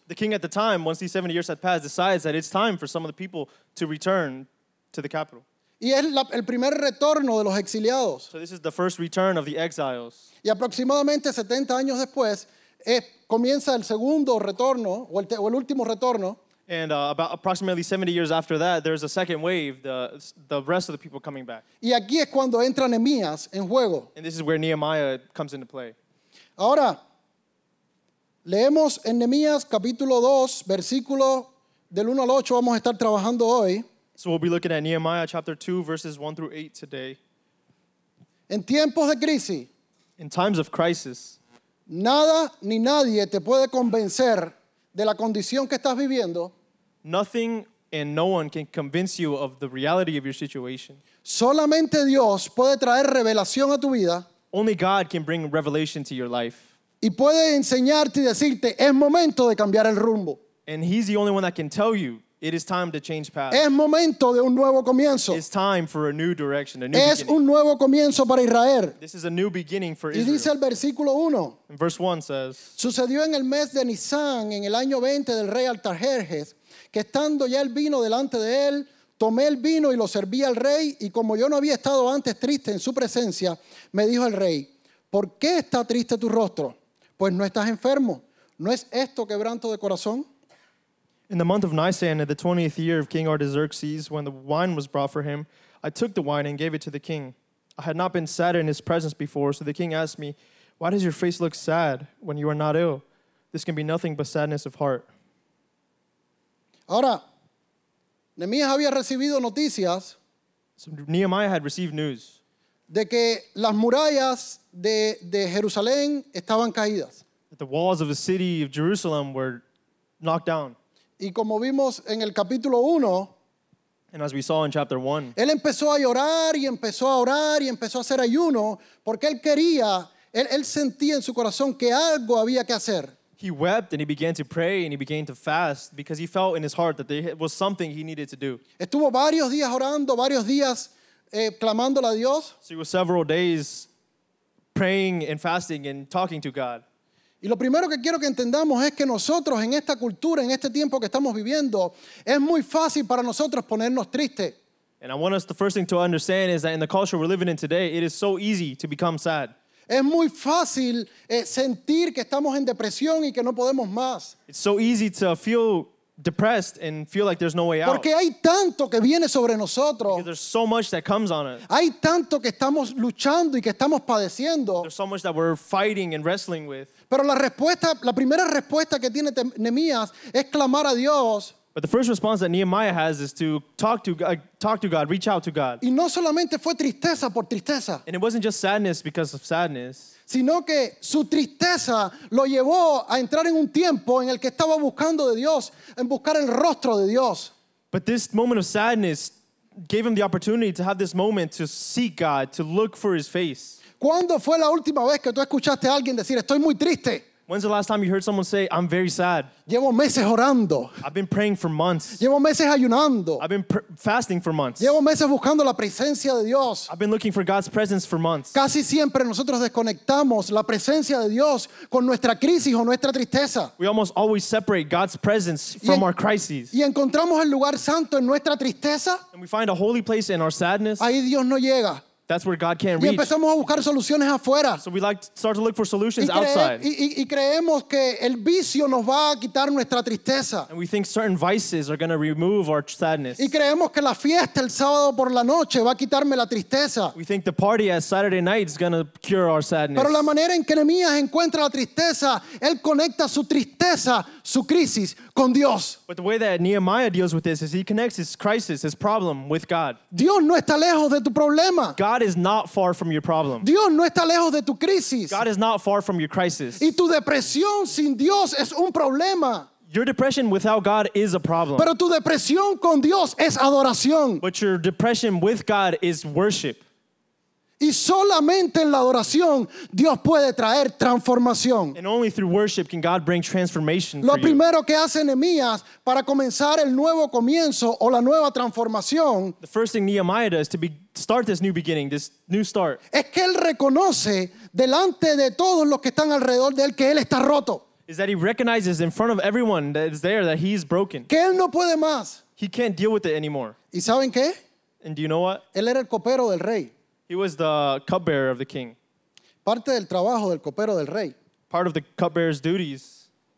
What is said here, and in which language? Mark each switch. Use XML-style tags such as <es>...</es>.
<en>The king at the time, once these 70 years had passed, decides that it's time for some of the people to return to the capital.</en> <es>Y es el primer retorno de los exiliados.</es> <en>So this is the first return of the exiles.</en> <es>Y aproximadamente 70 años después, comienza el segundo retorno, o el último retorno.</es> <en>And about approximately 70 years after that, there's a second wave, the rest of the people coming back.</en> <es>Y aquí es cuando entra Nehemías en juego.</es> <en>And this is where Nehemiah comes into play.</en> <es>Ahora, leemos en Nehemías capítulo 2, versículo del 1 al 8, vamos a estar trabajando hoy.</es> <en>So we'll be looking at Nehemiah chapter 2, verses 1 through 8 today.</en> <es>En tiempos de crisis,</es> <en>in times of crisis,</en> <es>nada ni nadie te puede convencer de la condición que estás viviendo.</es> <en>Nothing and no one can convince you of the reality of your situation.</en> <es>Solamente Dios puede traer revelación a tu vida.</es> <en>Only God can bring revelation to your life.</en> <es>Y puede enseñarte y decirte, es momento de cambiar el rumbo.</es> <en>And he's the only one that can tell you, it is time to change paths.</en> <es>Es momento de un nuevo comienzo.</es> <en>It's time for a new direction, a new</en> <es>es</es> <en>beginning.</en> <es>Es un nuevo comienzo para Israel.</es> <en>This is a new beginning for</en> <es>y</es> <en>Israel.</en> <es>Y dice el versículo 1.</es> <en>Verse 1 says,</en> <es>sucedió en el mes de Nisan, en el año 20 del rey Artajerjes, que estando ya el vino delante de él, tomé el vino y lo serví al rey, y como yo no había estado antes triste en su presencia, me dijo el rey, ¿por qué está triste tu rostro? Pues no estás enfermo. ¿No es esto quebranto de corazón?</es> <en>In the month of Nisan, in the 20th year of King Artaxerxes, when the wine was brought for him, I took the wine and gave it to the king. I had not been sad in his presence before, so the king asked me, why does your face look sad when you are not ill? This can be nothing but sadness of heart.</en> <es>Ahora, Nehemías había recibido noticias.</es> <en>So Nehemiah had received news.</en> <es>De que las murallas de Jerusalén estaban caídas.</es> <en>That the walls of the city of Jerusalem were knocked down.</en> <es>Y como vimos en el capítulo 1,</es> <en>and as we saw in chapter 1,</en> <es>él empezó a llorar y empezó a orar y empezó a hacer ayuno porque él quería, él sentía en su corazón que algo había que hacer.</es> <en>He wept and he began to pray and he began to fast because he felt in his heart that there was something he needed to do.</en> <es>Estuvo varios días orando, varios días clamándole a Dios.</es> <en>So he was several days praying and fasting and talking to God.</en> <es>Y lo primero que quiero que entendamos es que nosotros en esta cultura, en este tiempo que estamos viviendo, es muy fácil para nosotros ponernos tristes.</es> <en>And I want us, the first thing to understand is that in the culture we're living in today, it is so easy to become sad.</en> <es>Es muy fácil sentir que estamos en depresión y que no podemos más.</es> <en>It's so easy to feel depressed and feel like there's no way out.</en> <es>Porque hay tanto que viene sobre nosotros.</es> <en>Because there's so much that comes on us.</en> <es>Hay tanto que estamos luchando y que estamos padeciendo.</es> <en>There's so much that we're fighting and wrestling with.</en> <es>Pero la respuesta, la primera respuesta que tiene Nehemías es clamar a Dios.</es> <en>But the first response that Nehemiah has is to talk to God, reach out to God.</en> <es>Y no solamente fue tristeza por tristeza.</es> <en>And it wasn't just sadness because of sadness.</en> <es>Sino que su tristeza lo llevó a entrar en un tiempo en el que estaba buscando de Dios, en buscar el rostro de Dios.</es> <en>But this moment of sadness gave him the opportunity to have this moment to seek God, to look for his face.</en> <es>¿Cuándo fue la última vez que tú escuchaste a alguien decir, estoy muy triste?</es> <en>When's the last time you heard someone say, I'm very sad?</en> <es>Llevo meses orando.</es> <en>I've been praying for months.</en> <es>Llevo meses ayunando.</es> <en>I've been fasting for months.</en> <es>Llevo meses buscando la presencia de Dios.</es> <en>I've been looking for God's presence for months.</en> <es>Casi siempre nosotros desconectamos la presencia de Dios con nuestra crisis o nuestra tristeza.</es> <en>We almost always separate God's presence from our crises.</en> <es>Y encontramos el lugar santo en nuestra tristeza.</es> <en>And we find a holy place in our sadness.</en> <es>Ahí Dios no llega.</es> <en>That's where God can't reach.</en> <es>Y empezamos a buscar soluciones afuera.</es> <en>So we like to start to look for solutions outside.</en> <es>Y creemos que el vicio nos va a quitar nuestra tristeza.</es> <en>And we think certain vices are going to remove our sadness.</en> <es>Y creemos que la fiesta el sábado por la noche va a quitarme la tristeza.</es> <en>We think the party at Saturday night is going to cure our sadness.</en> <es>Pero la manera en que Nehemías encuentra la tristeza, él conecta su tristeza, su crisis, con Dios.</es> <en>But the way that Nehemiah deals with this is he connects his crisis, his problem, with God.</en> <es>Dios no está lejos de tu problema.</es> <en>God God is not far from your problem.</en> <es>Dios no está lejos de tu crisis.</es> <en>God is not far from your crisis.</en> <es>Y tu depresión sin Dios es un problema.</es> <en>Your depression without God is a problem.</en> <es>Pero tu depresión con Dios es adoración.</es> <en>But your depression with God is worship.</en> <es>Y solamente en la adoración Dios puede traer transformación.</es> <en>And only through worship can God bring transformation for you.</en> <es>Lo primero que hace Nehemías para comenzar el nuevo comienzo o la nueva transformación,</es> <en>the first thing Nehemiah does to be, start this new beginning, this new start,</en> <es>es que él reconoce delante de todos los que están alrededor de él que él está roto.</es> <en>Is that he recognizes in front of everyone that is there that he is broken.</en> <es>Que él no puede más.</es> <en>He can't deal with it anymore.</en> <es>¿Y saben qué?</es> <en>And do you know what?</en> <es>Él era el copero del rey.</es> <en>He was the cupbearer of the king.</en> <es>Parte del trabajo del copero del rey.</es> <en>Part of the cupbearer's duties.</en>